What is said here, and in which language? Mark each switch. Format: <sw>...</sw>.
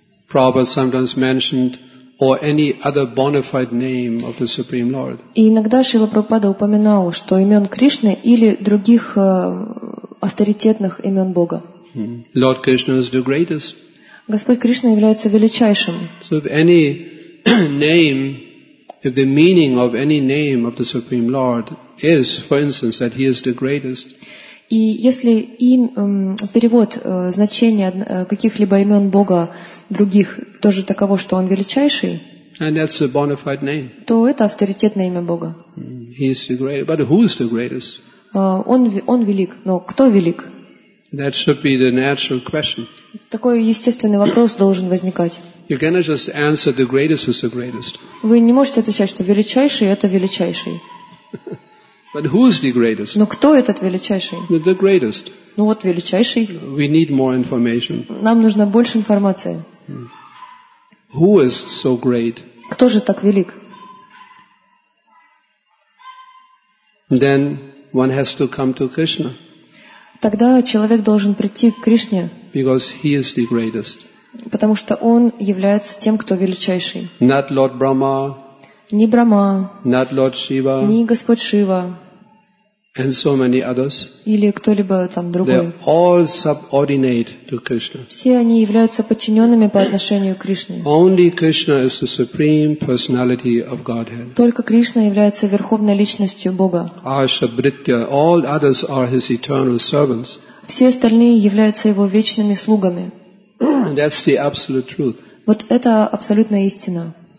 <en>Prabhupada sometimes mentioned or any other bona fide name of the Supreme Lord.</en> <ru>И иногда Шрила Прабхупада упоминал, что имен Кришны или других авторитетных имен Бога.</ru> <en>Lord Krishna is the greatest.</en> <ru>Господь Кришна является величайшим.</ru> <en>So if any name, if the meaning of any name of the Supreme Lord is, for instance, that he is the greatest.</en> <ru>И если им перевод значения каких-либо имен Бога других тоже таково, что он величайший,</ru> <en>and that's a bona fide name.</en> <ru>То это авторитетное имя Бога.</ru> <en>He is the greatest. But who is the greatest?</en> <ru>Он велик, но кто велик?</ru> <en>That should be the natural question.</en> <ru>Такой естественный вопрос должен возникать.</ru> <en>You cannot just answer the greatest is the greatest.</en> <ru>Вы не можете отвечать, что величайший это величайший.</ru> <en>But who is the greatest?</en> <ru>Но кто этот величайший?</ru> <en>The greatest.</en> <ru>Ну вот величайший.</ru> <en>We need more information.</en> <ru>Нам нужно больше информации.</ru> <en>Who is so great?</en> <ru>Кто же так велик?</ru> <en>Then one has to come to Krishna.</en> <ru>Тогда человек должен прийти к Кришне.</ru> <en>Because he is the greatest.</en> <ru>Потому что он является тем, кто величайший.</ru> <en>Not Lord Brahma.</en> <ru>Не Брахма.</ru> <en>Not Lord Shiva.</en> <ru>Не Господь Шива.</ru> <en>And so many others.</en> <ru>Или кто-либо там другой.</ru> <en>They all subordinate to Krishna.</en> <ru>Все они являются подчиненными по отношению к Кришне.</ru> <en>Only Krishna is the supreme personality of Godhead.</en> <ru>Только Кришна является верховной личностью Бога.</ru> <en>Ashabritya. All others are his eternal servants.</en> <ru>Все остальные являются его вечными слугами.</ru> <en>That's the absolute truth.</en> <ru>Вот это абсолютная истина.</ru>